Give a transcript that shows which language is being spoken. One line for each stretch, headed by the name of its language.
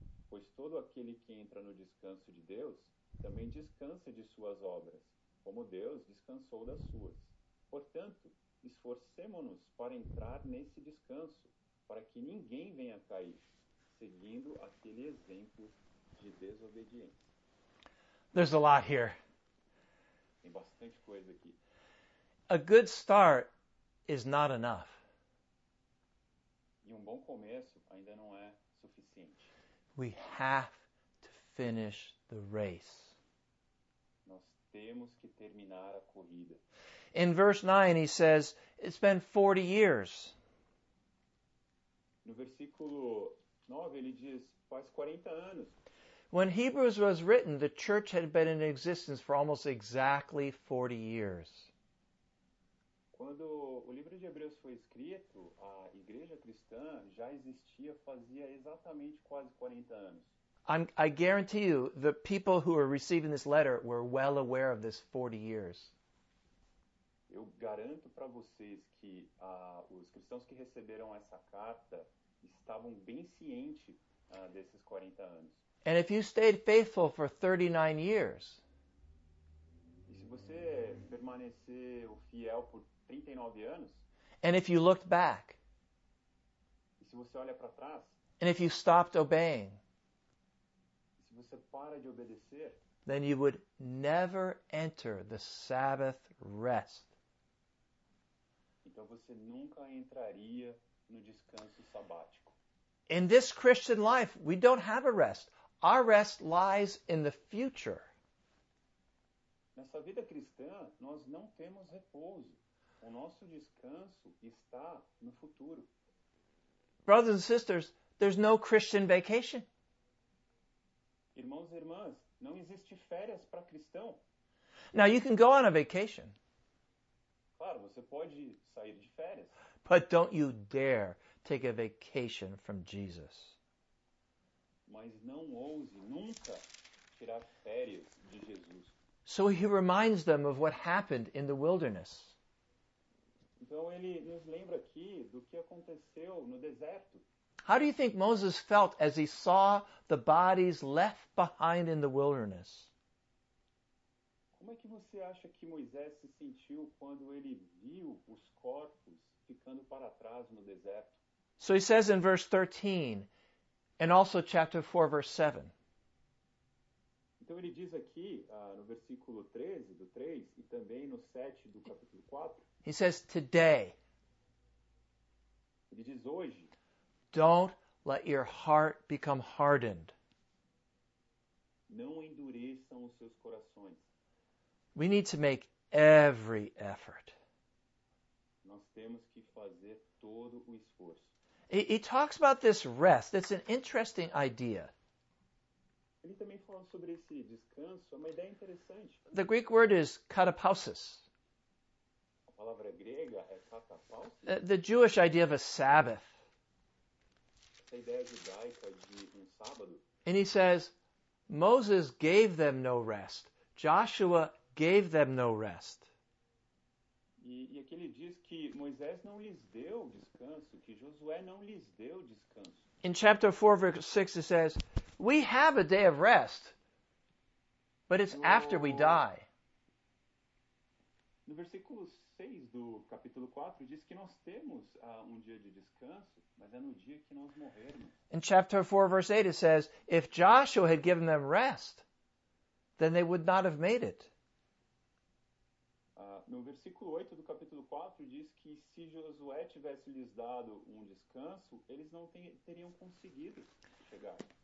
Portuguese: Pois todo aquele que entra no descanso de Deus, também descansa de suas obras, como Deus descansou das suas. Portanto, esforcemo-nos para entrar nesse descanso, para que ninguém venha cair, seguindo aquele exemplo de desobediência.
English: There's a lot here.
Portuguese: Tem bastante coisa aqui.
English: A good start is not enough.
Portuguese: E um bom começo ainda não é suficiente.
English: We have to finish the race.
Portuguese: Nós temos que terminar a corrida.
English: In verse 9, he says, it's been 40 years.
Portuguese: No versículo 9, ele diz, faz 40 anos.
English: When Hebrews was written, the church had been in existence for almost exactly 40 years.
Portuguese: Quando o livro de Hebreus foi escrito, a igreja cristã já existia fazia exatamente quase 40 anos.
English: I guarantee you, the people who are receiving this letter were well aware of this 40 years.
Portuguese: Eu garanto para vocês que os cristãos que receberam essa carta estavam bem cientes desses 40 anos.
English: And if you stayed faithful for 39 years,
Portuguese: e se você permaneceu fiel por 39 anos,
English: and if you looked back,
Portuguese: e se você olha para trás,
English: and if you stopped obeying,
Portuguese: você para de obedecer,
English: then you would never enter the Sabbath rest.
Portuguese: Então você nunca entraria no descanso sabático.
English: In this Christian life, we don't have a rest. Our rest lies in the future.
Portuguese: Nessa vida cristã, nós não temos repouso. O nosso descanso está no futuro.
English: Brothers and sisters, there's no Christian vacation.
Portuguese: Irmãos e irmãs, não existe férias para cristão.
English: Now you can go on a vacation.
Portuguese: Claro, você pode sair de férias.
English: But don't you dare take a vacation from Jesus.
Portuguese: Mas não ouse nunca tirar férias de Jesus.
English: So he reminds them of what happened in the wilderness.
Portuguese: Então ele nos lembra aqui do que aconteceu no deserto.
English: How do you think Moses felt as he saw the bodies left behind in the wilderness?
Portuguese: Como é que você acha que Moisés se sentiu quando ele viu os corpos ficando para trás no deserto?
English: So he says in verse 13, and also chapter 4, verse 7.
Portuguese: Então ele diz aqui, no versículo 13 do 3 e também no 7 do capítulo 4.
English: He says today.
Portuguese: Ele diz hoje.
English: Don't let your heart become hardened.
Portuguese: Não endureçam os seus corações.
English: We need to make every effort.
Portuguese: Nós temos que fazer todo o esforço.
English: He talks about this rest. It's an interesting idea.
Portuguese: Ele também fala sobre esse descanso, uma ideia interessante.
English: The Greek word is katapausis.
Portuguese: palavra grega é katapausis.
English: The Jewish idea of a Sabbath.
Portuguese: Essa ideia judaica de um sábado.
English: And he says, Moses gave them no rest. Joshua gave them no rest.
Portuguese: E aqui ele diz que Moisés não lhes deu descanso, que Josué não lhes deu descanso.
English: In chapter 4, verse 6, it says, we have a day of rest, but it's after we die.
Portuguese: No versículo 6 do capítulo 4, diz que nós temos um dia de descanso, mas é no dia que nós morrermos.
English: In chapter 4, verse 8, it says, if Joshua had given them rest, then they would not have made it.
Portuguese: No versículo 8 do capítulo 4 diz que se Josué tivesse lhes dado um descanso, eles não teriam conseguido chegar.